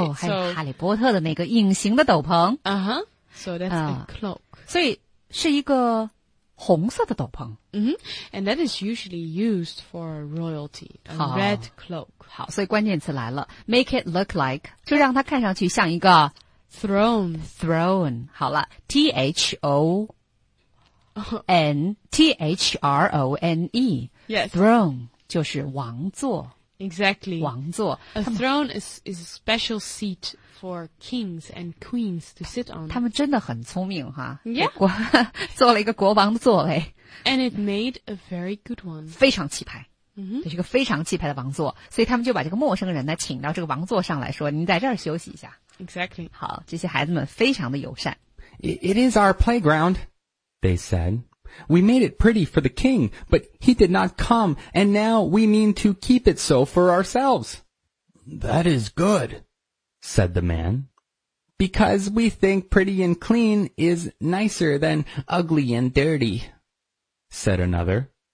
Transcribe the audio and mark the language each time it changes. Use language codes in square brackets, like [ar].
[en] 哦、 oh, so, [zh] 还有哈利波特的那个隐形的斗篷 [en] Uh-huh So that's a cloak [zh] 所以是一个红色的斗篷、 mm-hmm. [en] And that is usually used for royalty A red cloak [zh] 好所以关键词来了 [en] Make it look like [zh] 就让它看上去像一个 [en] Throne [zh] Throne 好了 T-H-O N-T-H-R-O-N-E [en] Yes [zh] Throne 就是王座 [en] Exactly [zh] 王座 [en] A throne is a special seat for kings and queens to sit on [zh] 他们真的很聪明哈 [en] Yeah [zh] 做了一个国王的座位 [en] And it made a very good one [zh] 非常气派、 mm-hmm. 这是个非常气派的王座所以他们就把这个陌生人呢请到这个王座上来说您在这儿休息一下 [en] Exactly [zh] 好这些孩子们非常的友善 [en] It is our playground They said, we made it pretty for the king, but he did not come, and now we mean to keep it so for ourselves. That is good, said the man, because we think pretty and clean is nicer than ugly and dirty, said another.